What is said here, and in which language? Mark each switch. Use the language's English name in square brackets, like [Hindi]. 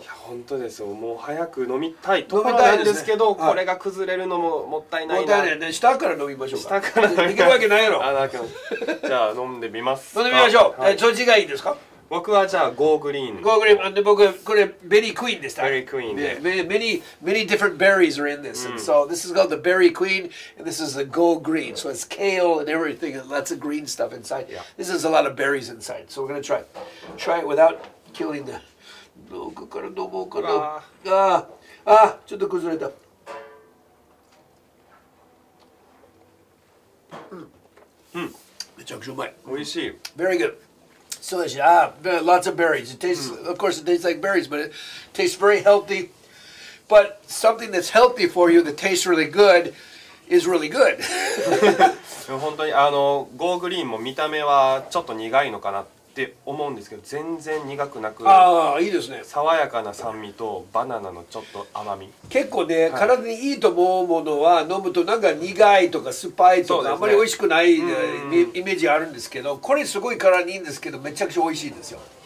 [Japanese] いや本当ですよ、もう早く飲みたいところなんですけど、す、ね、これが崩れるのももったいないな、もったいないね、下から飲みましょうか、下から飲みできるわけないやろ。あ、じゃあ飲んでみます。飲んでみましょう、はい、そっちがいいですか。僕はじゃあゴーグリーン。ゴーグリーン。で僕これベリークイーンでした。ベリークイーンで。 [English] Many many different berries are in this.、うん、and so this is called the berry queen and this is the go green. So it's kale and everything and lots of green stuff inside.、 Yeah. This is a lot of berries inside. So we're gonna try it without killing the. [Japanese] どこから飲もうかな。ああちょっと崩れた。うん。めちゃくちゃうまい。美味しい。 [English] Very good. So it's, ah, lots of berries. It tastes,、mm. of course, it tastes like berries, but it tastes very healthy. But something that's healthy for you that tastes really good is really good. [Japanese] 本当にあのゴーグリーンも見た目はちょっと苦いのかなって思うんですけど、全然苦くなく、ああいいですね、爽やかな酸味とバナナのちょっと甘み、結構ね、はい、体にいいと思うものは飲むとなんか苦いとか酸っぱいとか、ね、あんまり美味しくないイメージがあるんですけど、これすごい体にいいんですけど、めちゃくちゃ美味しいんですよ。